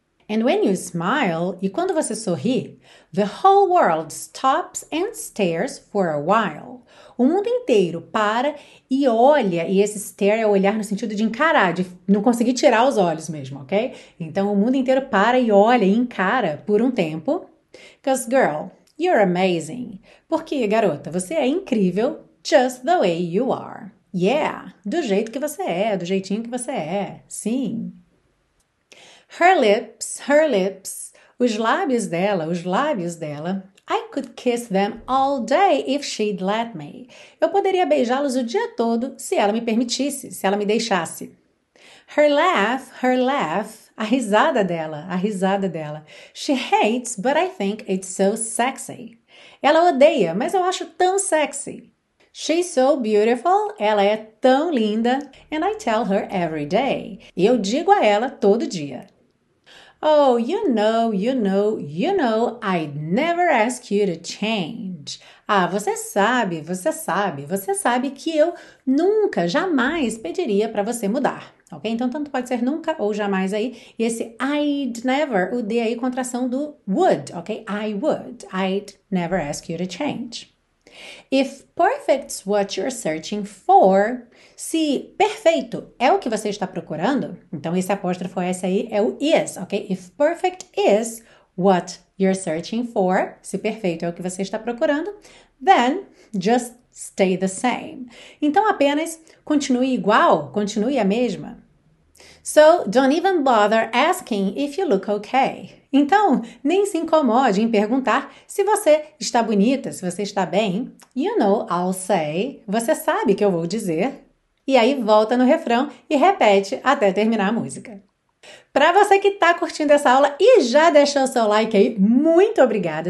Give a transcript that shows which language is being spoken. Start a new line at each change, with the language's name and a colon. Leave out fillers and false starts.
English: And when you smile,
Portuguese: e quando você sorri,
English: the whole world stops and stares for a while.
Portuguese: O mundo inteiro para e olha, e esse stare é olhar no sentido de encarar, de não conseguir tirar os olhos mesmo, ok? Então o mundo inteiro para e olha e encara por um tempo.
English: Because girl, you're amazing.
Portuguese: Porque, garota, você é incrível,
English: just the way you are.
Portuguese: Yeah, do jeito que você é, do jeitinho que você é, sim.
English: Her lips,
Portuguese: os lábios dela,
English: I could kiss them all day if she'd let me.
Portuguese: Eu poderia beijá-los o dia todo se ela me permitisse, se ela me deixasse.
English: Her laugh,
Portuguese: a risada dela.
English: She hates, but I think it's so sexy.
Portuguese: Ela odeia, mas eu acho tão sexy.
English: She's so beautiful,
Portuguese: ela é tão linda,
English: and I tell her every day.
Portuguese: E eu digo a ela todo dia.
English: Oh, you know, I'd never ask you to change.
Portuguese: Ah, você sabe, você sabe, você sabe que eu nunca, jamais pediria para você mudar, ok? Então, tanto pode ser nunca ou jamais aí. E esse I'd never, o D aí, contração do would, ok?
English: I would, I'd never ask you to change. If perfect's what you're searching for,
Portuguese: se perfeito é o que você está procurando, então esse apóstrofo S aí é o is, ok?
English: If perfect is what you're searching for,
Portuguese: se perfeito é o que você está procurando,
English: then just stay the same.
Portuguese: Então apenas continue igual, continue a mesma.
English: So don't even bother asking if you look okay.
Portuguese: Então, nem se incomode em perguntar se você está bonita, se você está bem.
English: You know, I'll say.
Portuguese: Você sabe que eu vou dizer. E aí volta no refrão e repete até terminar a música. Para você que está curtindo essa aula e já deixou seu like aí, muito obrigada.